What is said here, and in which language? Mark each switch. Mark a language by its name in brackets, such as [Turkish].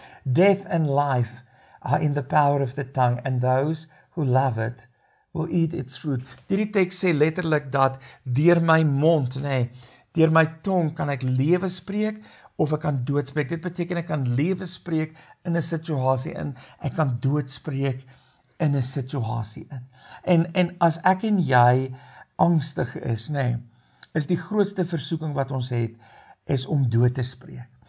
[English] Death and life are in the power of the tongue, and those who love it will eat its fruit. [Afrikaans] Die tekst sê letterlijk dat door my mond, nee, door my tong kan ek leven spreek, of ek kan dood spreek. Dit beteken ek kan leven spreek in een situasie in, ek kan dood spreek in een situasie in. En as ek en jy angstig is, nee, is die grootste versoeking wat ons het, is om dood te spreek.